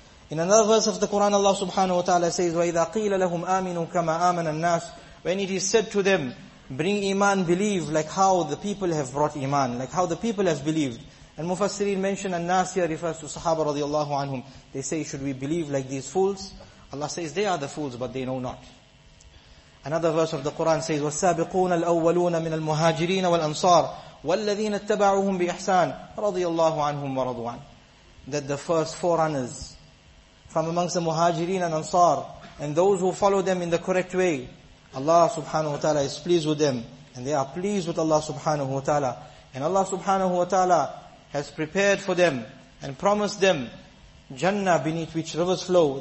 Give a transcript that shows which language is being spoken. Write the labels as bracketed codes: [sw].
[en] In another verse of the Quran, Allah subhanahu wa ta'ala says, [ar] وَإِذَا قِيلَ لَهُمْ آمِنُوا كَمَا آمَنَ النَّاسِ. [en] When it is said to them, bring iman, believe, like how the people have brought iman, like how the people have believed. And Mufassirin mention an-nas here refers to Sahaba radiallahu anhum. They say, should we believe like these fools? Allah says, they are the fools, but they know not. Another verse of the Quran says, [ar] وَالسَّابِقُونَ الْأَوَّلُونَ مِنَ الْمُهَاجِرِينَ وَالْأَنصَارِ وَالَّذِينَ اتَّبَعُوهُمْ بِإِحْسَانِ رَضِيَ اللَّهُ عَنْهُمْ وَرَضُوَانِ. [en] That the first forerunners from amongst the muhajirin and ansar and those who follow them in the correct way, Allah subhanahu wa ta'ala is pleased with them and they are pleased with Allah subhanahu wa ta'ala. And Allah subhanahu wa ta'ala has prepared for them and promised them Jannah beneath which rivers flow.